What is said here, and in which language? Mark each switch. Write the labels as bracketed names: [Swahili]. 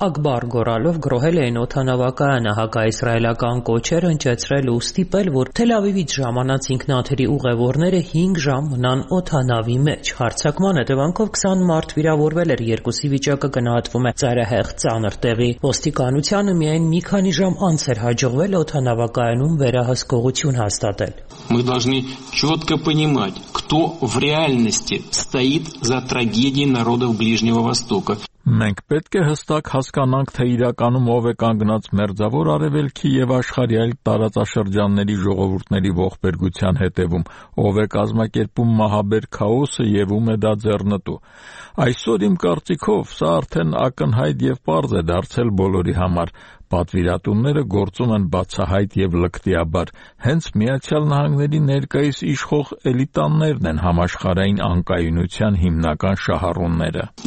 [Armenian] Ակբար» գոռալով գրոհել էին օդանավակայանը, հակաիսրայելական կոչեր ընչացրել ու ստիպել, որ Թել Ավիվից ժամանած ինքնաթիռի ուղևորները 5 ժամ մնան օդանավի մեջ։ Հարձակման հետևանքով 20 մարդ վիրավորվել էր, երկուսի վիճակը գնահատվում է ծայրահեղ ծանր տեղի։ Ոստիկանությունը միայն մի քանի ժամ անց հաջողվել օդանավակայանում վերահսկողություն հաստատել։ [Russian] Мы должны чётко понимать, кто в реальности стоит за трагедией народов Ближнего Востока. [Armenian] Մենք պետք է հստակ հասկանանք, թե իրականում ով է կանգնած մերձավոր արևելքի եւ աշխարհի այլ տարածաշրջանների ժողովուրդների ողբերգության հետևում, ով է կազմակերպում մահաբեր քաոսը եւ ում է դա ձեռնտու։ Այսօր իմ կարծիքով սա արդեն ակնհայտ եւ պարզ է դարձել բոլորի համար։ Պատվիրատունները գործում են բացահայտ եւ լկտիաբար։ Հենց Միացյալ Նահանգների ներկայիս իշխող էլիտաններն են համաշխարհային անկայունության հիմնական շահառունները։